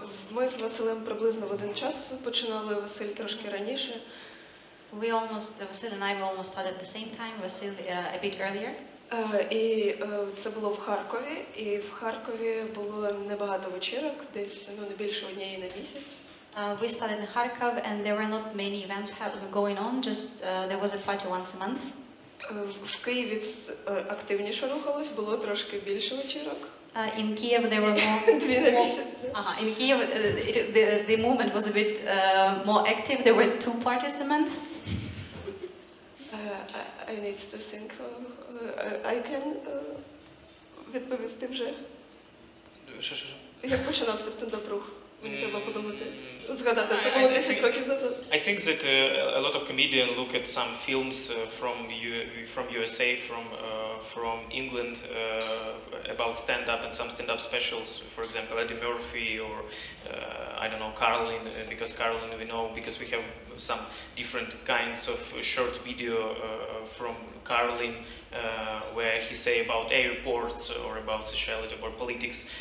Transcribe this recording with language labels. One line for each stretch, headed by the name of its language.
Ukrainian: Ми з Василем приблизно в один час починали, Василь трошки раніше.
English: We almost, Vasily and I, we almost started at the same time, Vasily a bit earlier.
Ukrainian: І це було в Харкові, і в Харкові було небагато вечірок, десь, ну, не більше однієї на місяць.
English: We started in Kharkov, and there were not many events going on, just there was a party once a month.
Ukrainian: В Києві активніше рухалось, було трошки більше вечірок.
English: In Kiev there were more.
Ukrainian: Дві на місяць.
English: In Kiev the movement was a bit more active, there were two parties a month. I need to think. I can
Ukrainian: відповісти вже. Що? Як починався стендап-рух? Мені треба подумати. Згадати, це було 10 років назад.
English: I think that a lot of comedians look at some films from USA, from England about stand-up and some stand-up specials, for example, Eddie Murphy or, I don't know, Carlin, because Carlin we know, because we have some different kinds of short video from Carlin, where he say about airports or about sociality or politics.